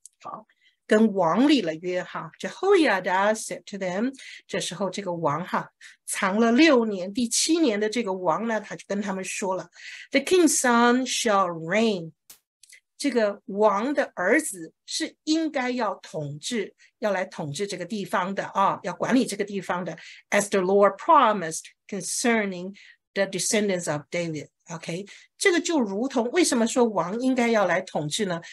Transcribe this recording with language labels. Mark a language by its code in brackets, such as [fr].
[zh] 好，跟王立了约哈。 [en] Jehoiada said to them, [zh] 这时候这个王哈。藏了六年，第七年的这个王呢，他就跟他们说了： [en] “The king's son shall reign。” [zh] 这个王的儿子是应该要统治，要来统治这个地方的啊，要管理这个地方的。 [en] As the Lord promised concerning the descendants of David. [zh] OK，这个就如同为什么说王应该要来统治呢？